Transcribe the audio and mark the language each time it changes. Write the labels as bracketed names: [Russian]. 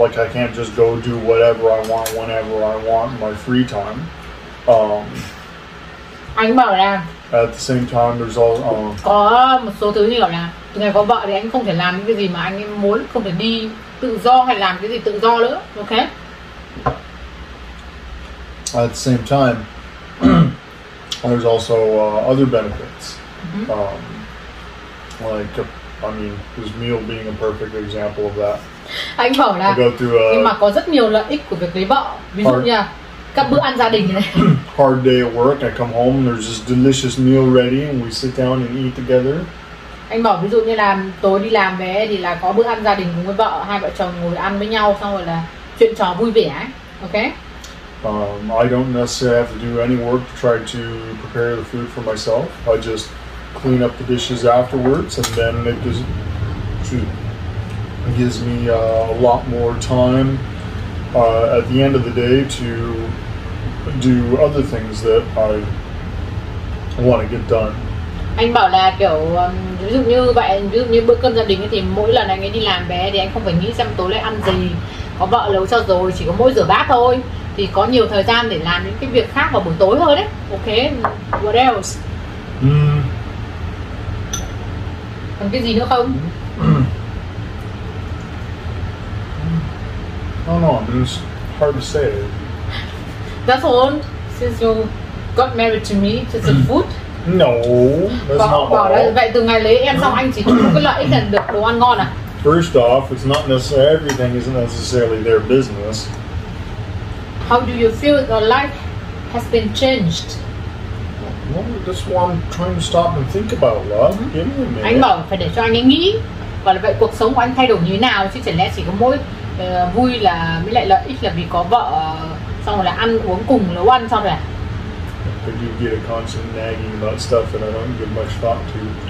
[English] Like, I can't just go do whatever I want, whenever I want in my free time. [Vietnamese] Anh bảo là [English] at the same time, there's all [Vietnamese] có một số thứ như kiểu là ngày có vợ thì anh không thể làm những cái gì mà anh muốn, không thể đi tự do hay làm cái gì tự do nữa, okay? [English] At the same time, there's also other benefits, like I mean, his meal being a perfect example of that. [Vietnamese] Anh bảo là, nhưng mà có rất nhiều lợi ích của việc lấy vợ. Ví dụ như các bữa ăn gia đình này. [English] Hard day at work, I come home, there's this delicious meal ready, and we sit down and eat together. [Vietnamese] Anh bảo ví dụ như là tối đi làm về thì là có bữa ăn gia đình cùng với vợ, hai vợ chồng ngồi ăn với nhau, xong rồi là chuyện trò vui vẻ. [English] Okay? I don't necessarily have to do any work to try to prepare the food for myself. I just clean up the dishes afterwards, and then it gives me a lot more time at the end of the day to do other things that I want to get done. [Vietnamese] Anh bảo là kiểu ví dụ như vậy, ví dụ như bữa cơm gia đình thì mỗi lần anh ấy đi làm bé thì anh không phải nghĩ xem tối nay ăn gì, có vợ nấu cho rồi, chỉ có mỗi rửa bát thôi, thì có nhiều thời gian để làm những cái việc khác vào buổi tối hơn đấy. [English] Okay, what else? [Vietnamese] Còn cái gì nữa không? [English] I don't know, I mean, it's hard to say. That's all, since you got married to me, just the food? No, that's not all. [Vietnamese] Là, vậy từ ngày lấy em xong anh chỉ có cái lợi ích là được đồ ăn ngon à? [English] First off, it's not necessarily, everything isn't necessarily their business. How do you feel your life has been changed? Well, that's what I'm trying to stop and think about, love. Give me a minute. [Vietnamese] Anh bảo phải để cho anh ấy nghĩ, và là vậy cuộc sống của anh thay đổi như thế nào, chứ chẳng lẽ chỉ có mỗi vui là mới lại lợi ích là vì có vợ, xong rồi là ăn uống cùng nấu ăn xong rồi. [English] But you get a constant nagging about stuff that I don't give much thought to.